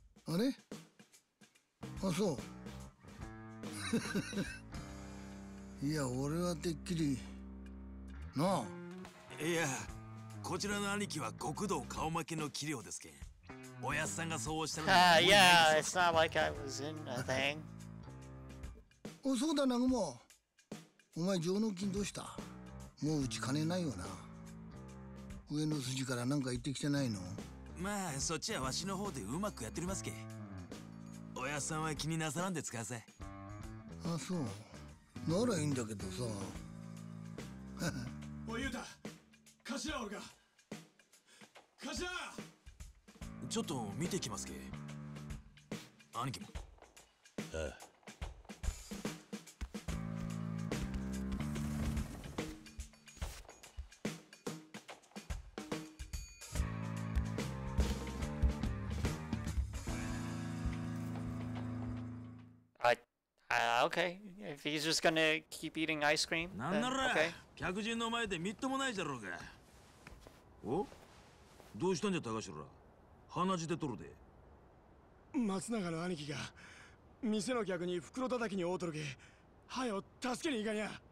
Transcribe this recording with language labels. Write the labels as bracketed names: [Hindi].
[Japanese] あれ、あ、そう。いや、俺はてっきりなあ。いや、こちらの兄貴は極道顔負けの器量ですけん、おやさんがそうおっしゃるのに。 [English] いや、it's not like I was in a thing。 [Japanese] お、そうだ南雲、お前上納金どうした。もううち金ないよな。上の筋から何か言ってきてないの。まあそっちはわしの方でうまくやっておりますけ。おやさんは気になさらんで使わせ。あ、そうならいいんだけどさ。おい、ゆうた、頭おるか。頭、ちょっと見てきますけ。兄貴も。ああ、 [English] okay. If he's just gonna keep eating ice cream, then [Japanese] なんなら、okay. 客人の前でみっともないじゃろうが。お、どうしたんじゃ高城ら、鼻血で取るで。松永の兄貴が店の客に袋叩きに大とるけ、早よ助けに行かにゃ。